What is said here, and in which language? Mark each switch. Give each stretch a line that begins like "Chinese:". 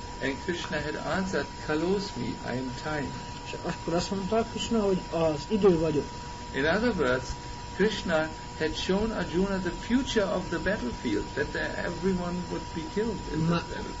English: And Krishna had answered, Kalosmi, I am time.
Hungarian: És akkor azt mondta Krishna, hogy az idő vagyok.
English: In other words, Krishna had shown Arjuna the future of the battlefield, that everyone would be killed in this battlefield.